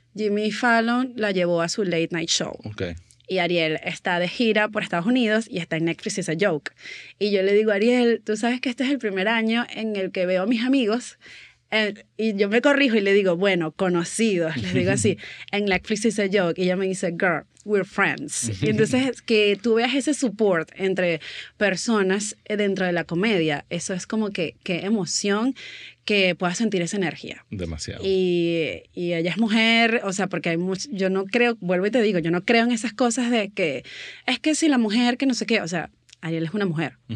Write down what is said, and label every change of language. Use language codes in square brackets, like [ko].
[es] Jimmy Fallon la llevó a su late night show. [en] Okay. [es] Y Ariel está de gira por Estados Unidos y está en Netflix Is a Joke. Y yo le digo, Ariel, tú sabes que este es el primer año en el que veo a mis amigos. Y yo me corrijo y le digo, bueno, conocidos, les digo así, en Netflix Is a Joke. Y ella me dice, [en] girl, we're friends. [es] Y entonces, que tú veas ese support entre personas dentro de la comedia, eso es como que qué emoción que puedas sentir esa energía. Demasiado. Y ella es mujer, o sea, porque hay mucho, yo no creo, vuelvo y te digo, yo no creo en esas cosas de que, es que si la mujer que no sé qué, o sea, Ariel es una mujer. Uh-huh.